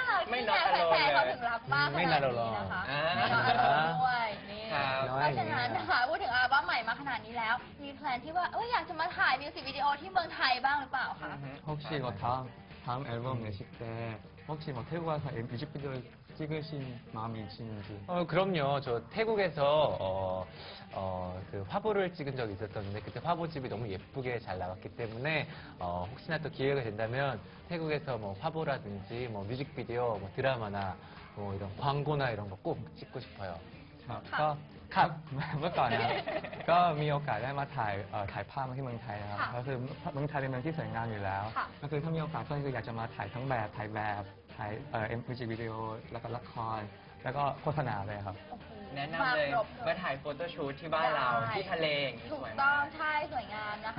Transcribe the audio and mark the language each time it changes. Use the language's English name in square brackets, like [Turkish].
[Thai] ไม่น่าเราเลยไม่น่าเราเลยนะคะ ไม่ น่า เรา ด้วย เ พราะฉะนั้นนะคะพูดถึงอัลบั้มใหม่มาขนาดนี้แล้วมีแพลนที่ว่าอยากจะมาถ่ายมิวสิกวิดีโอที่เมืองไทยบ้างหรือเปล่าคะ ฮกชีก็ทำ [Korean] 다음 앨범 내실 때 혹시 뭐 태국 가서 뮤직비디오 찍으신 마음이 있으신지? 그럼요. 저 태국에서 그 화보를 찍은 적이 있었는데 그때 화보집이 너무 예쁘게 잘 나왔기 때문에 혹시나 또 기회가 된다면 태국에서 뭐 화보라든지 뭐 뮤직비디오, 뭐 드라마나 뭐 이런 광고나 이런 거 꼭 찍고 싶어요. 자, [Thai] ครับเมื่อก่อนนะก็มีโอกาสได้มาถ่ายภาพที่เมืองไทยนะครับก็คือเมืองไทยเป็นเมืองที่สวยงามอยู่แล้วก็คือถ้ามีโอกาสก็อยากจะมาถ่ายทั้งแบบถ่ายMVจิวิดีโอแล้วก็ละครแล้วก็โฆษณาเลยครับแนะนำเลยมาถ่ายโฟโต้ชูทที่บ้านเราที่ทะเลสวยงามถูกต้องใช่สวยงามนะคะ